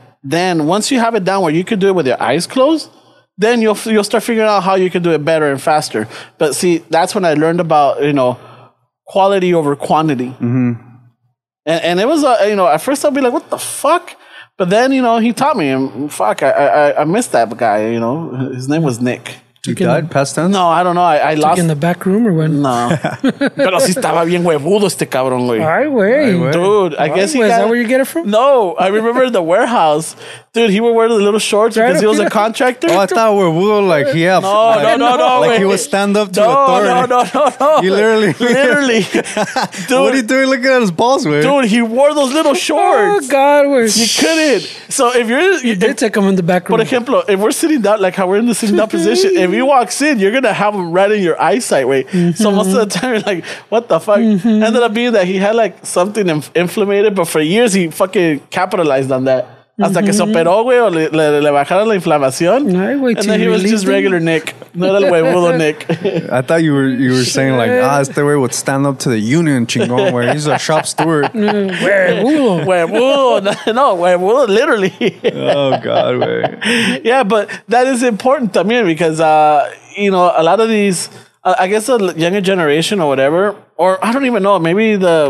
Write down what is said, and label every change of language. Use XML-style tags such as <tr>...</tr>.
<en>Then once you have it down where you can do it with your eyes closed, then you'll start figuring out how you can do it better and faster. But see, that's when I learned about, you know, quality over quantity. Mm-hmm. And it was, you know, at first I'll be like, what the fuck? But then, you know, he taught me. And fuck, I missed that guy, you know. His name was Nick. You died? Past tense? No, I don't know. I lost. In the back room or when? No.</en> <es>Pero si estaba bien huevudo este cabrón, güey. Ay, güey.</es> <en>Dude, I guess he got... Is that where you get it from? No, I remember the warehouse. Dude, he would wear the little shorts because he was a contractor. Oh, I thought huevudo like he had... No, like he would stand up to authority. No. He literally... Literally. Dude. What are you doing looking at his balls, güey? Dude, he wore those little shorts. Oh, God, güey. You couldn't. So if you're... You did take him in the back room. For example, if we're sitting down, like how we're in the sitting down position... If he walks in, you're going to have him right in your eyesight, wait. Mm-hmm. So most of the time, you're like, what the fuck? Mm-hmm. Ended up being that he had like something inflamed, but for years, he fucking capitalized on that.</en> <es>Hasta mm-hmm. que se operó, güey, o le bajaron la inflamación. Ay, wey,</es> <en>and then he was just regular Nick.</en> <es>No era el huevudo Nick.</es> <en>I thought you were saying like, ah,</en> <es>este güey</es> <en>would stand up to the union,</en> <es>chingón, güey.</es> <en>He's a shop steward.</en> <es>Huevudo. Huevudo. No, huevudo, literally.</es> <en>Oh, God, güey. Yeah, but that is important también because, you know, a lot of these, I guess the younger generation or whatever, or I don't even know, maybe the...</en>